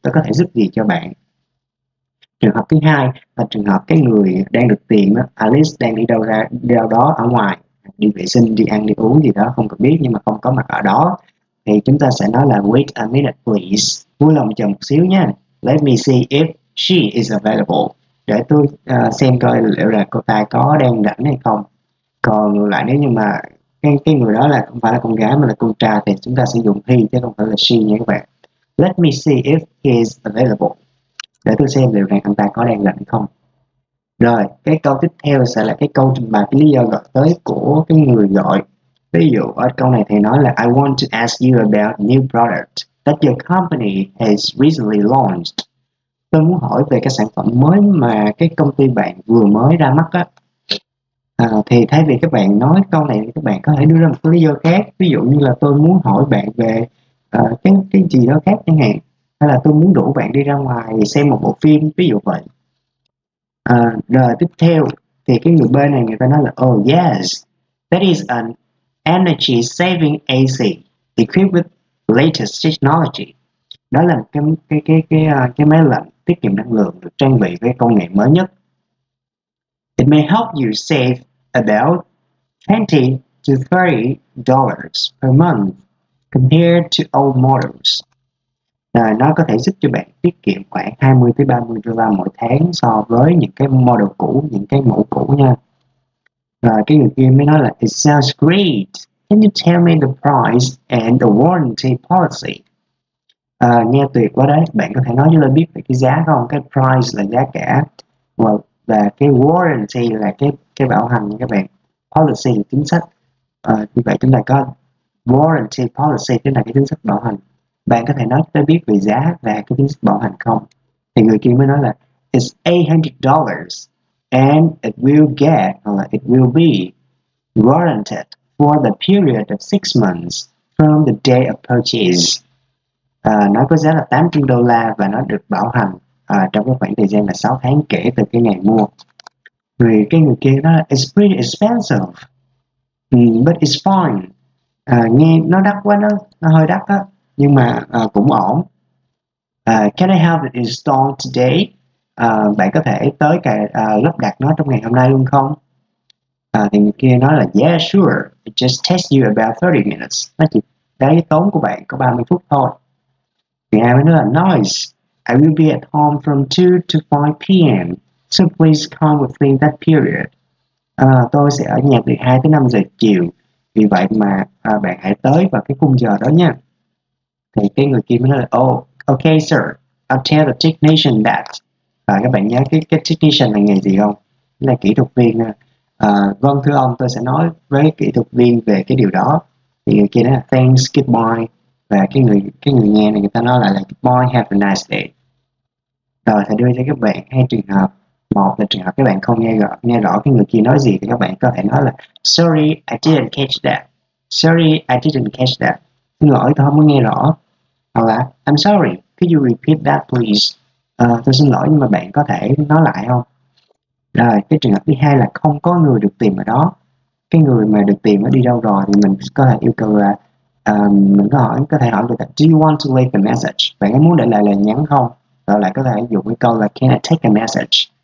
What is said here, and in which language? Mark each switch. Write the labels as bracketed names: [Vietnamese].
[Vietnamese] Tôi có thể giúp gì cho bạn? Trường hợp thứ hai là trường hợp cái người đang được tìm, Alice đang đi đâu ra đâu đó ở ngoài, đi vệ sinh, đi ăn, đi uống gì đó, không cần biết nhưng mà không có mặt ở đó. Thì chúng ta sẽ nói là [English] wait a minute please, [Vietnamese] vui lòng chờ một xíu nha. [English] Let me see if she is available. [Vietnamese] Để tôi xem coi liệu là cô ta có đang rảnh hay không. Còn ngược lại, nếu như mà cái người đó là không phải là con gái mà là con trai thì chúng ta sử dụng he chứ không phải là she nha các bạn. [English] Let me see if he is available. [Vietnamese] Để tôi xem liệu rằng anh ta có đang rảnh không. Rồi, cái câu tiếp theo sẽ là cái câu trình bày cái lý do gọi tới của cái người gọi. Ví dụ ở câu này thì nói là [English] I want to ask you about a new product that your company has recently launched. [Vietnamese] Tôi muốn hỏi về cái sản phẩm mới mà cái công ty bạn vừa mới ra mắt á. Thì thay vì các bạn nói câu này thì các bạn có thể đưa ra một cái lý do khác. Ví dụ như là tôi muốn hỏi bạn về cái gì đó khác chẳng hạn. Hay là tôi muốn rủ bạn đi ra ngoài xem một bộ phim, ví dụ vậy. Rồi tiếp theo thì cái người bên này người ta nói là [English] oh yes, that is an energy saving AC equipped with latest technology. [Vietnamese] Đó là cái máy lạnh tiết kiệm năng lượng được trang bị với công nghệ mới nhất. [English] It may help you save about 20 to $30 per month compared to old models. [Vietnamese] À, nó có thể giúp cho bạn tiết kiệm khoảng 20 tới $30 mỗi tháng so với những cái model cũ, những cái mẫu cũ nha. Rồi cái người kia mới nói là [English] It sounds great. Can you tell me the price and the warranty policy? [Vietnamese] À, nghe tuyệt quá đấy. Bạn có thể nói cho tôi biết về cái giá không? Cái price là giá cả. Và cái warranty là cái bảo hành các bạn. Policy là chính sách. À, như vậy chúng ta có warranty policy, tức là cái chính sách bảo hành. Bạn có thể nói cho tôi biết về giá và cái chính sách bảo hành không? [English] Thì người kia mới nói là It's $800 and it will get, [Vietnamese] hoặc là [English] it will be warranted for the period of 6 months from the day of purchase. [Vietnamese] Nó có giá là $800 và nó được bảo hành trong cái khoảng thời gian là 6 tháng kể từ cái ngày mua. Người cái người kia nói là [English] It's pretty expensive, but it's fine. [Vietnamese] Nghe nó đắt quá, nó hơi đắt á. Nhưng mà cũng ổn. [English] Can I have it installed today? [Vietnamese] Bạn có thể tới lắp đặt nó trong ngày hôm nay luôn không? Thì người kia nói là [English] yeah sure, it just takes you about 30 minutes. [Vietnamese] Nó chỉ đấy tốn của bạn có 30 phút thôi. Thì ai mới nói là [English] nice, I will be at home from 2 to 5 p.m. So please come within that period. [Vietnamese] Tôi sẽ ở nhà từ 2 tới 5 giờ chiều. Vì vậy mà bạn hãy tới vào cái khung giờ đó nha. Thì cái người kia mới nói là [English] oh, okay sir, I'll tell the technician that. [Vietnamese] Và các bạn nhớ cái technician là nghề gì không? Là kỹ thuật viên nè. Vâng thưa ông, tôi sẽ nói với kỹ thuật viên về cái điều đó. Thì người kia nói là [English] thanks, goodbye. [Vietnamese] Và cái người nghe này người ta nói là [English] goodbye, have a nice day. [Vietnamese] Rồi, thầy đưa cho các bạn hai trường hợp. Một là trường hợp các bạn không nghe rõ cái người kia nói gì thì các bạn có thể nói là [English] sorry, I didn't catch that. Sorry, I didn't catch that. [Vietnamese] Xin lỗi, tôi không có nghe rõ. Hoặc là [English] I'm sorry, could you repeat that please? [Vietnamese] Tôi xin lỗi nhưng mà bạn có thể nói lại không? Rồi, cái trường hợp thứ hai là không có người được tìm ở đó. Cái người mà được tìm ở đi đâu rồi thì mình có thể yêu cầu là mình có thể hỏi người ta [English] do you want to leave a message? [Vietnamese] Bạn có muốn để lại lời nhắn không? Rồi lại có thể dùng cái câu là [English] can I take a message?